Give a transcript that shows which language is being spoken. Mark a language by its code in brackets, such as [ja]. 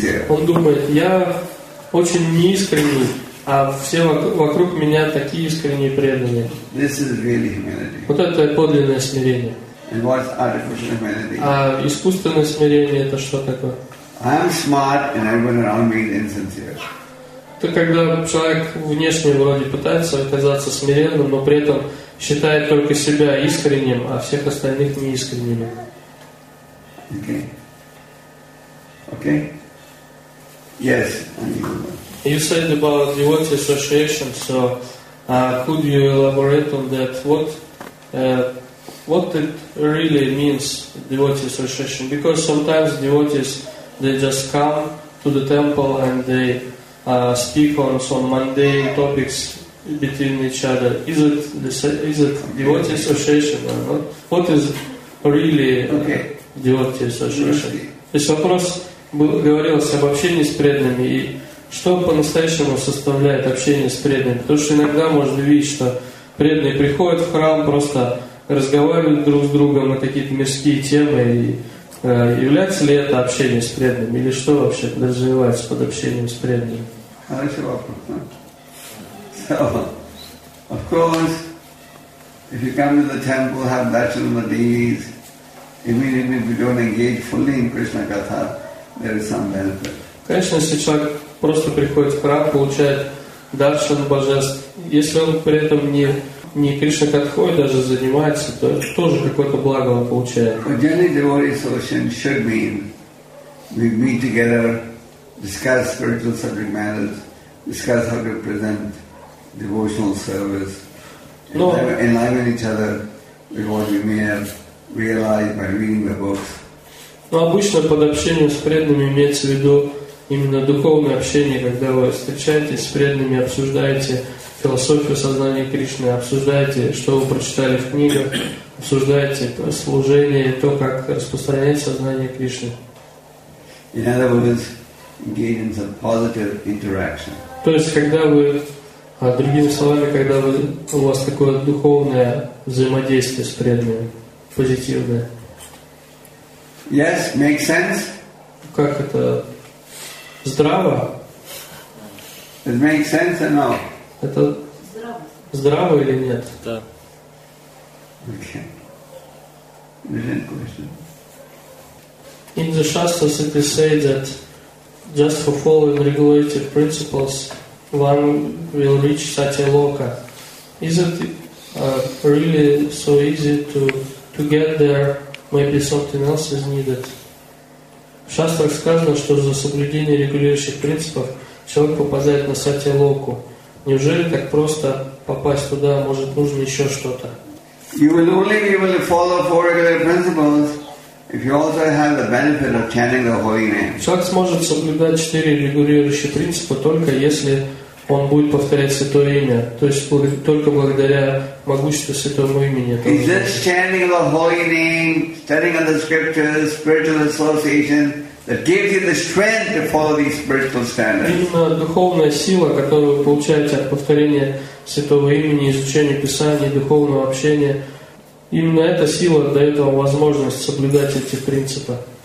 [ru] Он думает, я очень неискренний, а все вокруг меня такие искренние преданные. [en] This is really humility. [ru] Вот это подлинное смирение. [en] And what's artificial humility? [ru] А искусственное смирение — это что такое? [en] I'm smart, and everyone around me is insincere. [ru] То когда человек внешне вроде пытается оказаться смиренным, но при этом считает только себя искренним, а всех остальных неискренними. [en] Okay. Yes. You said about devotee association. So, could you elaborate on that? What it really means, devotee association? Because sometimes devotees, they just come to the temple and they speak on some mundane topics between each other. Is it devotee association or not? What is really Девоте Сашаши. [ru] То есть вопрос был, говорилось об общении с преданными, и что по-настоящему составляет общение с преданными? Потому что иногда можно видеть, что преданные приходят в храм, просто разговаривают друг с другом на какие-то мирские темы, и является ли это общение с преданными, или что вообще подразумевается под общением с преданными? Хороший вопрос, да? [en] So, of course, if you come to the temple, have darshan of the deities, immediately if you don't engage fully in Krishna Katha, there is some benefit. [ru] Конечно, если человек просто приходит в храм, получает даршан божеств, если он при этом не Кришна Катхой даже занимается, то это тоже какое-то благо он получает. [en] Generally, devotee association should mean we meet together, discuss spiritual subject matters, discuss how to present devotional service, enliven each other with what we may have realized by reading the books. [ru] Но обычно под общением с преданными имеется в виду именно духовное общение, когда вы встречаетесь с преданными, обсуждаете философию сознания Кришны, обсуждаете, что вы прочитали в книгах, обсуждаете служение, то, как распространять сознание Кришны. [en] In other words, engage in some positive interaction. [ru] То есть, когда вы, другими словами, когда вы, у вас такое духовное взаимодействие с преданными, позитивное. [en] Yes, makes sense? [ru] Как это? Здраво? [en] It makes sense or no? [ru] Это здраво или нет? Да. [en] Okay. In the Shastras it is said that just for following regulative principles one will reach Satya Loka. Is it really so easy to get there? Maybe something else is needed. [ru] В Шастрах сказано, что за соблюдение регулирующих принципов человек попадает на Сатья Локу. Неужели так просто попасть туда? Может, нужно еще что-то? [en] You will only be able to follow four regular principles if you also have the benefit of chanting the holy name. [ru] Человек сможет соблюдать четыре регулирующие принципы только если он будет повторять святое имя, то есть только благодаря могуществу святого имени. [en] Is this chanting the holy name, studying of the scriptures, spiritual association that gives you the strength to follow these spiritual standards? [ru] Именно духовная сила, которую вы получаете от повторения святого имени, изучения Писания, духовного общения, именно эта сила дает вам возможность соблюдать эти принципы.